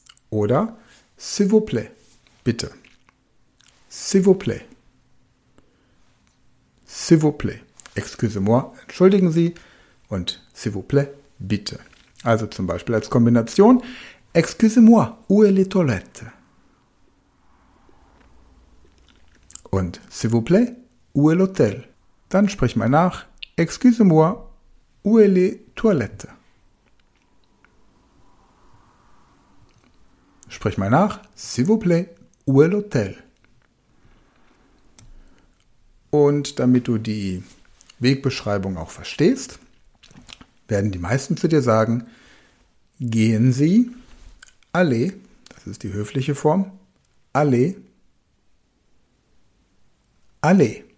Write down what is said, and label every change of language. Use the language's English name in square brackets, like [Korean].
[German] Oder [French] s'il vous plaît, [German] bitte. [French] S'il vous plaît. S'il vous plaît. Excusez-moi, [German] entschuldigen Sie. Und [French] s'il vous plaît, [German] bitte. Also zum Beispiel als Kombination. [French] Excusez-moi, où est les toilettes? [German] Und [French] s'il vous plaît, où est l'hôtel? [German] Dann sprich mal nach. [French] Excusez-moi, où est les toilettes? [German] Sprich mal nach. [French] S'il vous plaît, où est l'hôtel? [German] Und damit du die Wegbeschreibung auch verstehst, werden die meisten zu dir sagen, gehen Sie, allez, das ist die höfliche Form, [French] allez, allez.